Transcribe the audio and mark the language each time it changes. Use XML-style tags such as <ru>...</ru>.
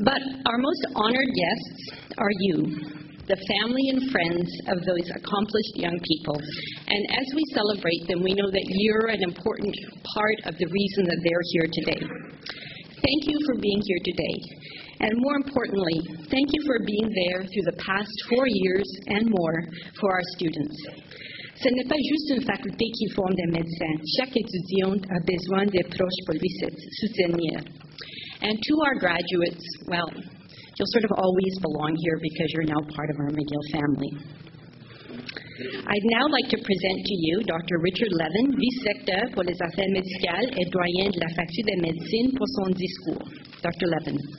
<en>But our most honored guests are you, the family and friends of those accomplished young people, and as we celebrate them, we know that you're an important part of the reason that they're here today. Thank you for being here today. And more importantly, thank you for being there through the past 4 years and more for our students.</en> <fr>Ce n'est pas juste une faculté qui forme des médecins. Chaque étudiant a besoin de proches pour lui soutenir.</fr> <en>And to our graduates, well, you'll sort of always belong here because you're now part of our McGill family. I'd now like to present to you Dr.</en> <fr>Richard Levin, vice-recteur pour les affaires médicales et doyen de la faculté de médecine pour son discours. Dr. Levin.</fr>